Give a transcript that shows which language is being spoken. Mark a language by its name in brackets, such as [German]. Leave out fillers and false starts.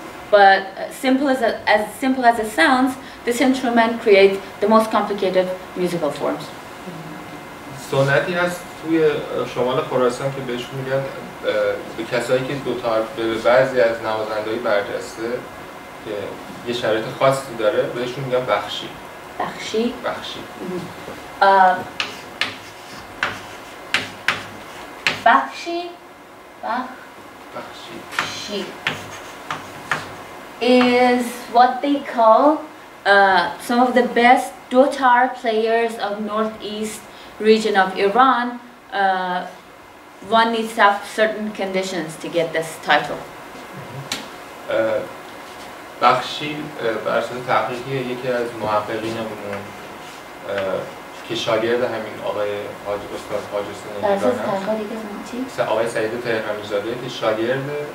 [English] But simple as it sounds, this instrument creates the most complicated musical forms. [Persian] سنتی هست توی شمال خراسان که بهش میگن به کسایی که دو تار به بعضی از نوازنده‌های برجسته که یه شرایط خاصی داره بهشون میگن بخشی. بخشی. بخشی. بخشی. [English] Is what they call some of the best dutar players of northeast region of Iran. One needs to have certain conditions to get this title. [Persian] بخشی بر اساس تحقیقی یکی از محققینمون که شاگرد همین آقای حاج استاد حاج حسین یگانه هست. آقای سعید تهرمی‌زاده که شاگرد